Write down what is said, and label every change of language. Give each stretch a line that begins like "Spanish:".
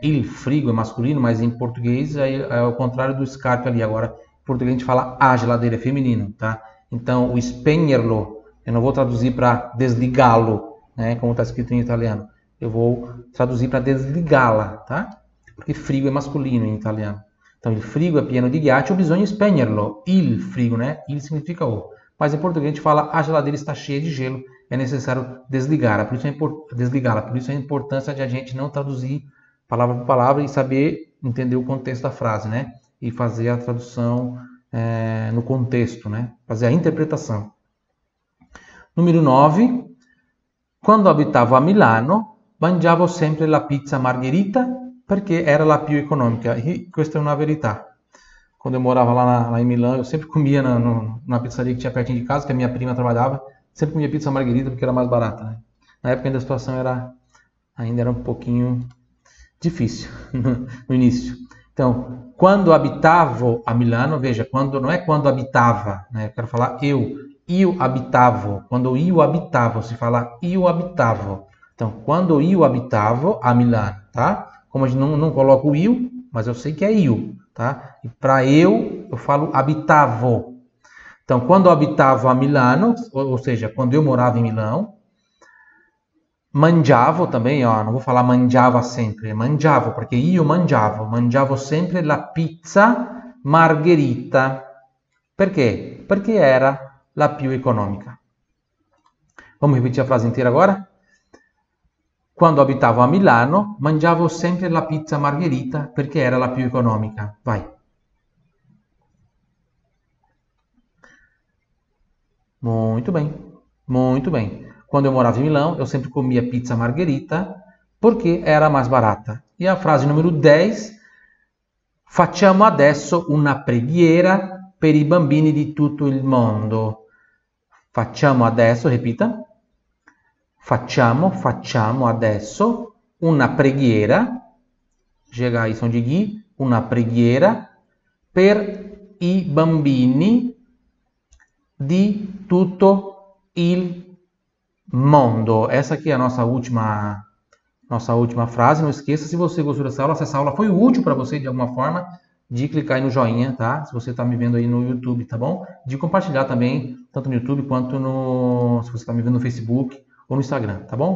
Portuguese: Il frigo é masculino, mas em português é o contrário do scarpe ali. Agora, em português a gente fala a geladeira, é feminino, tá? Então, o spegnerlo, eu não vou traduzir para desligá-lo, né? Como está escrito em italiano. Eu vou traduzir para desligá-la, tá?
Italian: Porque frigo è masculino in italiano.
Portuguese: Então,
Italian: il frigo è pieno di ghiaccio, bisogna spegnerlo.
Portuguese: Il frigo, né? Il significa o. Mas em português a gente fala, a geladeira está cheia de gelo, é necessário desligá-la. Por isso a importância de a gente não traduzir palavra por palavra e saber entender o contexto da frase, né? E fazer a tradução no contexto, né? Fazer a interpretação. Número 9.
Italian: Quando abitavo a Milano, mangiavo sempre la pizza margherita perché era la più economica. E questa è una verità.
Portuguese: Quando eu morava lá em Milão, eu sempre comia na pizzaria que tinha pertinho de casa, que a minha prima trabalhava. Sempre comia pizza margarita porque era mais barata. Né? Na época ainda a situação ainda era um pouquinho difícil no início. Então,
Italian: quando habitavo a Milano,
Portuguese: veja, quando não é quando habitava, né? Eu quero falar eu habitavo. Quando eu habitava, se fala eu habitavo. Então, quando eu habitavo a Milano, tá? Como a gente não coloca o eu, mas eu sei que é eu. Tá? E para eu falo habitavo. Então, quando habitavo a Milano, ou seja, quando eu morava em Milão, mangiavo também, ó, não vou falar mangiava sempre, mangiavo, porque eu
Italian: mangiavo sempre la pizza margherita. Perché? Perché era la più economica.
Portuguese: Vamos repetir a frase inteira agora?
Italian: Quando abitavo a Milano, mangiavo sempre la pizza margherita perché era la più economica.
Portuguese: Vai. Muito bem. Muito bem. Quando eu morava em Milão, eu sempre comia pizza margherita porque era mais barata. E a frase número 10.
Italian: Facciamo adesso una preghiera per i bambini di tutto il mondo. Facciamo adesso, repita. Facciamo adesso una preghiera,
Portuguese: chega aí som de gui,
Italian: una preghiera per i bambini di tutto il mondo.
Portuguese: Essa aqui é a nossa última frase. Não esqueça, se você gostou dessa aula, se essa aula foi útil para você de alguma forma, de clicar aí no joinha, tá? Se você está me vendo aí no YouTube, tá bom? De compartilhar também, tanto no YouTube quanto no, se você está me vendo no Facebook. Ou no Instagram, tá bom?